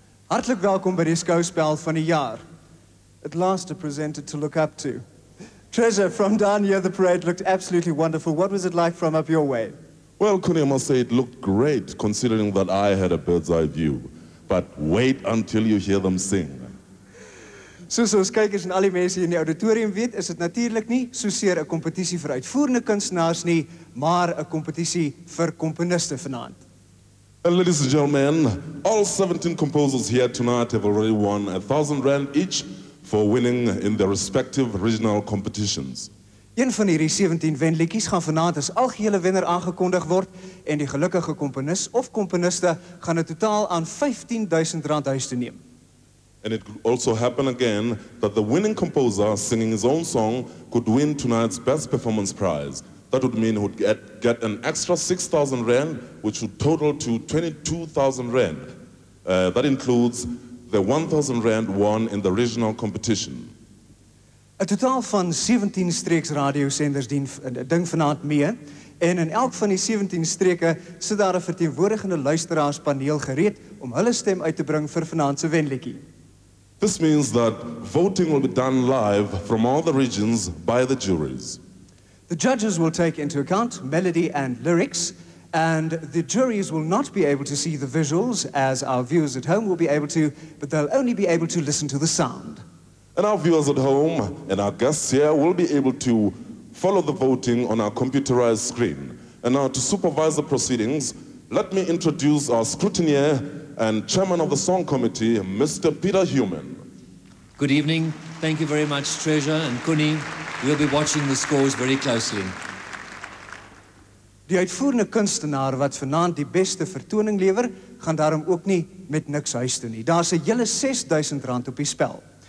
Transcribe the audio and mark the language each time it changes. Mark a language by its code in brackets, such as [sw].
[af] Hartlik welkom by die skouspel van die jaar. [en] At last a presenter to look up to. Treasure, from down here the parade looked absolutely wonderful. What was it like from up your way? Well, Cooney, I must say it looked great considering that I had a bird's eye view. But wait until you hear them sing. [af] Soos ons kykers en al die mense in die auditorium weet, is dit natuurlik nie soseer 'n kompetisie vir uitvoerende kunstenaars nie, maar 'n kompetisie vir komponiste vanaand. [en] And ladies and gentlemen, all 17 composers here tonight have already won R1,000 each for winning in their respective regional competitions. Een van hierdie 17 wenliedjies gaan vanaand as algehele wenner aangekondig word en die gelukkige komponis of komponiste gaan 'n totaal aan R15,000 huis toe neem. And it could also happen again that the winning composer singing his own song could win tonight's best performance prize. That would mean he would get an extra R6,000, which would total to R22,000. That includes the R1,000 won in the regional competition. [af] A totaal van 17 streeks radiosenders dien ding vanaand mee. En in elk van die 17 streke sit daar 'n verteenwoordigende luisteraarspaneel gereed om hulle stem uit te bring vir vanaand se wenliedjie. [en] This means that voting will be done live from all the regions by the juries. The judges will take into account melody and lyrics, and the juries will not be able to see the visuals, as our viewers at home will be able to, but they'll only be able to listen to the sound. And our viewers at home and our guests here will be able to follow the voting on our computerized screen. And now to supervise the proceedings, let me introduce our scrutineer and chairman of the song committee, Mr. Peter Human. Good evening. Thank you very much, Treasure and Cooney. We'll be watching the scores very closely. [af] Die uitvoerende kunstenaar wat vanaand die beste vertoning lewer, gaan daarom ook nie met niks huis toe nie. Daar is 'n hele R6,000 op die spel.